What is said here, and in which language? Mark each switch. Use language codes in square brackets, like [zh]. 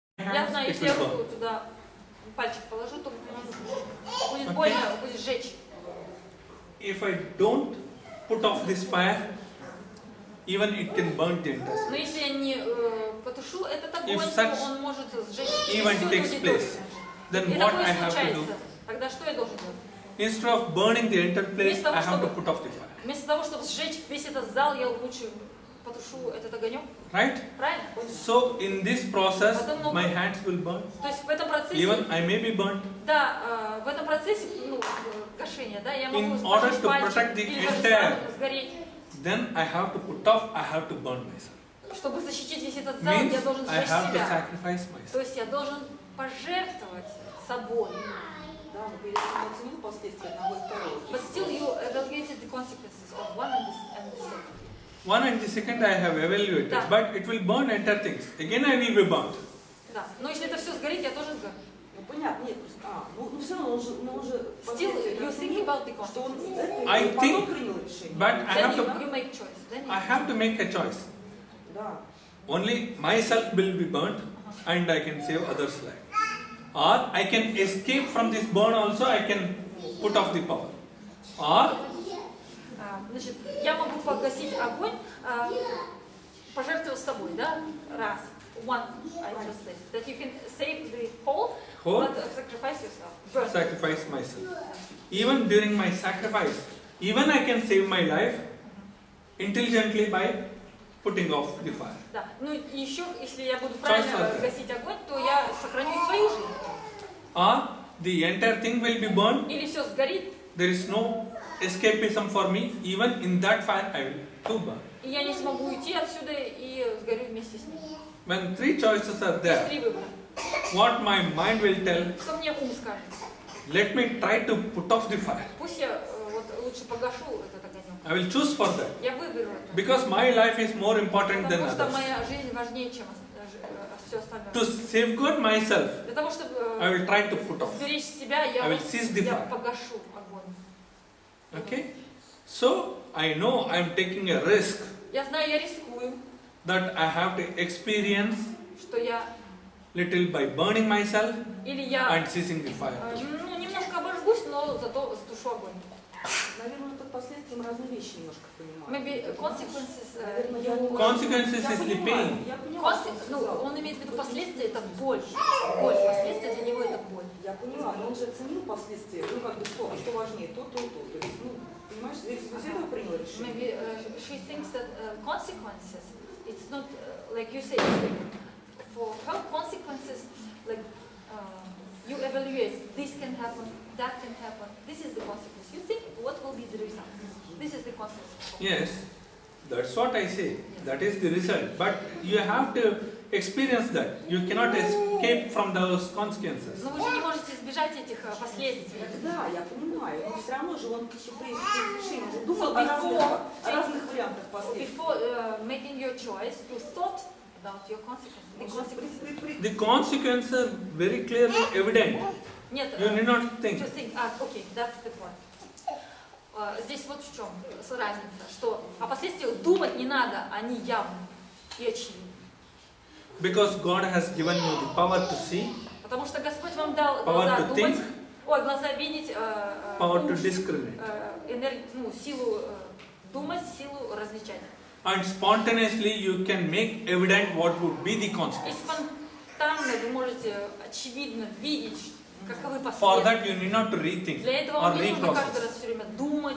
[ru] Я знаю, если я руку туда пальчик положу, то будет больно, будет сжечь. [en] If I don't put off this fire, even it can burn the intestines. [ru] Но если я не потушу этот огонь, он может сжечь всю аудиторию. [en] Then what I have to do? [ru] Тогда что я должен делать? [en] Instead of burning the entire place, I have to put off the fire. [ru] Вместо того, чтобы сжечь весь этот зал, я лучше потушу этот огонек. [en] Right? [ru] Правильно? [en] So in this process, my hands will burn. [ru] То есть в этом процессе. [en] Even I may be burnt. [ru] Да, в этом процессе, ну, гашения, да, я могу. [en] In order to protect the entire, [ru] сгореть. [en] Then I have to put off. I have to burn myself. [ru] Чтобы защитить весь этот зал, я должен сжечь себя. [en] I have to sacrifice myself. [ru] То есть я должен пожертвовать собой. [en] But still, you evaluated the consequences of one and the second. One and the second, I have evaluated, [ru] да. [en] But it will burn entire things. Again, I will be burnt. [ru] Да. Но если это все сгорит, я тоже сгорю. Ну понятно, нет. Ну все равно он же. [en] Still, you think about the consequences. I think, but I have to. You make choice. Then I have to make a choice. [ru] Да. [en] Only myself will be burnt, and I can save others' life. Or I can escape from this burn also, I can put off the power. Or [ru] я могу погасить огонь, пожертвовав собой, да? Раз. [en] One, I just said. That you can save the whole, but sacrifice yourself. Burn. Sacrifice myself. Even during my sacrifice, even I can save my life intelligently by putting off the fire. [ru] Да. Ну и еще, если я буду правильно гасить огонь, то я сохраню свою жизнь. [en] The entire thing will be burned. [ru] Или все сгорит. [en] There is no escapism for me. Even in that fire, I will too burn. [ru] И я не смогу уйти отсюда и сгорю вместе с ним. [en] When three choices are there, [ru] три выбора. [en] What my mind will tell? [ru] Что мне ум скажет? [en] Let me try to put off the fire. [ru] Пусть я вот лучше погашу этот огонек. [en] I will choose for that. [ru] Я выберу это. [en] Because my life is more important than others. [ru] Потому что моя жизнь важнее, чем остальные. [en] To safeguard myself, I will try to put off. [ru] Сберечь себя, [en] I will seize the fire. [ru] Я погашу огонь. [en] Okay? So I know I am taking a risk. [ru] Я знаю, я рискую. [en] That I have to experience. [ru] Что я [en] little by burning myself. [ru] Или я [en] and seizing the fire. [ru] Ну немножко обожгусь, но зато затушу огонь. Наверное, тут последствия мы разные вещи немножко понимаем. [en] Maybe consequences. Consequences is the pain. [ru] Я понимаю. Ну, он имеет в виду последствия, это боль. Последствия для него это боль. Я поняла, но он же ценил последствия. Ну, как бы что? А что важнее? То. То есть, ну, понимаешь, здесь из этого принял решение. [en] Maybe she thinks that consequences, it's not like you say, for her consequences, like you evaluate, this can happen, that can happen, this is the consequence. You think, what will be the result? This is the consequence. Yes, that's what I say. Yes. That is the result. But you have to experience that. You cannot escape from those consequences. [ru] Но вы же не можете избежать этих последствий. Да, я понимаю. Но все равно же он еще решил, думал о разных вариантах последствий. [en] Before making your choice, you thought about your consequences. The consequences are very clearly evident. You need not think. Just think. Okay, that's the point. [ru] Здесь вот в чем разница, что о последствиях думать не надо, они явны и очевидны. [en] Because God has given you the power to see. [ru] Потому что Господь вам дал [en] power [ru] глаза [en] to [ru] думать. [en] Think, [ru] ой, глаза видеть. [en] Power to discriminate. [ru] Силу думать, силу различать. [en] And spontaneously you can make evident what would be the consequences. [ru] И спонтанно вы можете очевидно видеть, каковы последствия. [en] For that you need not to rethink [ru] Для этого вам не нужно каждый раз все время думать,